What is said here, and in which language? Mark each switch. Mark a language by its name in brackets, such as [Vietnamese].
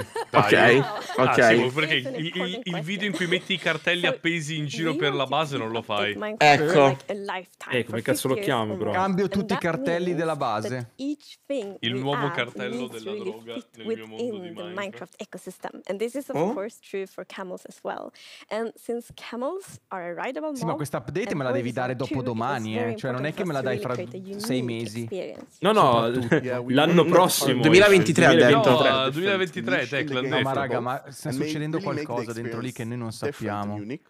[Italian] Ok, ok. Ah, sì, perché il video in cui metti i cartelli appesi in giro per la base non lo fai. Ecco. Ecco, come cazzo lo chiamo, bro? Cambio tutti i cartelli della base. Il nuovo cartello della droga nel mio mondo di Minecraft. [English] And this is of course true for camels as well. And since camels are a rideable mob, [Italian] sì, ma questa update me la devi dare dopo domani, cioè non è che me la dai fra sei mesi. No, no, l'anno prossimo 2023 ha detto. 2023, Declan, no, ma raga, ma sta succedendo qualcosa dentro lì che noi non sappiamo.